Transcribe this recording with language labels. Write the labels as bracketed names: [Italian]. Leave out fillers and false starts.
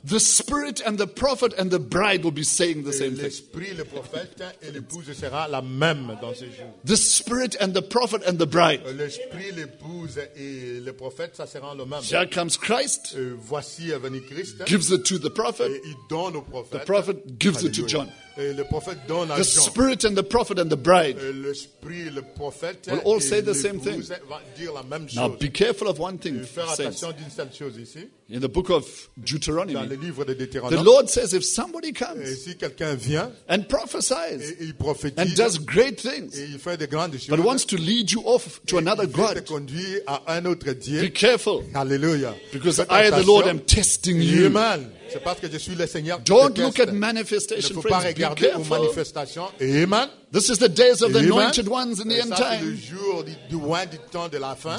[English] The spirit and the prophet and the bride will be saying the same [French] l'esprit, [English] thing. [French] Le prophète et l'épouse sera la même dans ces jours. [English] The spirit and the prophet and the bride. [French] L'esprit, l'épouse et le prophète, ça sera le même. [English] Here comes Christ. [French] Voici est venu Christ. [English] Gives it to the prophet. [French] Et il donne au prophète. [English] The prophet gives Alléluia. It to John. [French] Le prophète donne à [English] the [French] Jean. [English] Spirit and the prophet and the bride [French] l'esprit, le prophète [English] will all say the same thing. [French] Dire la même chose. [English] Now be careful of one thing. [French] D'une seule chose ici. [English] In the book of Deuteronomy, [French] dans le livre de Deutéronome, [English] the Lord says if somebody comes [French] et si quelqu'un vient, [English] and prophesies [French] et il prophétise, [English] and does great things [French] et il fait de grandes choses, [English] but wants to lead you off to another God, [French] te conduire à un autre Dieu, [English] be careful. Hallelujah. Because I, the Lord, am testing you. [French] Amen. C'est parce que je suis le Seigneur. [English] Don't look at manifestation, friends. [French] Ne faut pas regarder aux manifestations. Amen. [English] This is the days of the anointed ones in the end time. [French] Le jour du loin du temps de la fin.